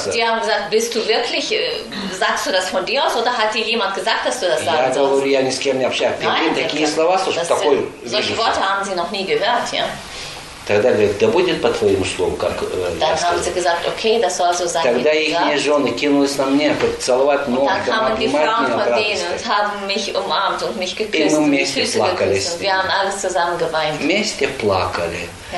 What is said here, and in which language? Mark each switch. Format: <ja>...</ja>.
<ru>сказать?</ru> <de>Die haben gesagt, bist du wirklich, sagst du das von dir aus, oder hat dir jemand gesagt, dass du das sagen sollst?</de> <ru>Я говорю, я ни с кем не общаюсь.</ru> <de>Nein,</de> <ru>такие слова, что такое?</ru> <de>Solche Worte haben sie noch nie gehört, ja.</de> <ru>Тогда говорит, да будет по твоему слову, как я сказал. Тогда их жены кинулись на мне, поцеловать ноги, обнимать меня, обрадовались. И мы вместе плакали с ними. Вместе плакали.</ru>